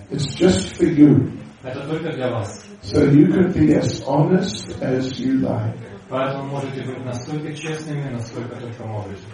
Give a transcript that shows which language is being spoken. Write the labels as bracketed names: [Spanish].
[English] It's just for you. [Russian] Это только для вас. [English] So you can be as honest as you like. [Russian] Поэтому можете быть настолько честными, насколько только можете.